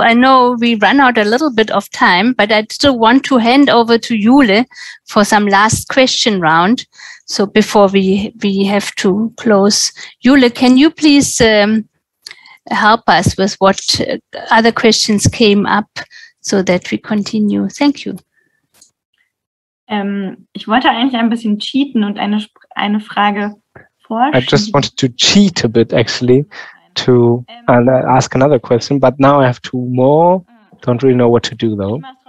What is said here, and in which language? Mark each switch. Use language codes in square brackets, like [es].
[en] I know we run out a little bit of time, but I still want to hand over to Jule for some last question round. So before we have to close, Jule, can you please help us with what other questions came up so that we continue? Thank you. [de] Ich wollte eigentlich ein bisschen cheaten und eine Frage vorstellen. [en] I just wanted to cheat a bit, actually, to ask another question, but now I have two more. Don't really know what to do, though.